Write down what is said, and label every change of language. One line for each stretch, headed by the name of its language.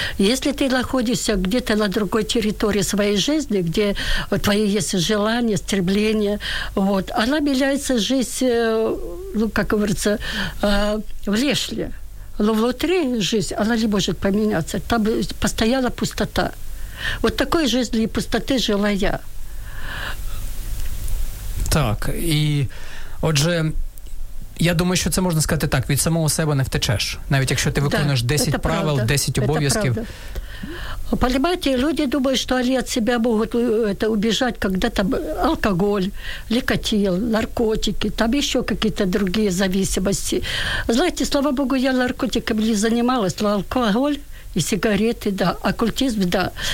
Russian: Если ты находишься где-то на другой территории своей жизни, где твои есть желания, стремления, вот, она меняется жизнь, ну, как говорится, внешне. Но внутри жизнь, она не может поменяться. Там постоянно пустота. Вот такой жизни и пустоты жила я.
Ukrainian: Так, и отже... Я думаю, що це можна сказати так, від самого себе не втечеш. Навіть якщо ти виконуєш 10 правил, 10 обов'язків.
Russian: Понимаете, люди думают, что они от себя могут это убежать, когда там алкоголь, никотин, наркотики, там еще какие-то другие зависимости. Знаете, слава богу, я наркотиками не занималась, но алкоголь и сигареты, да, оккультизм, да.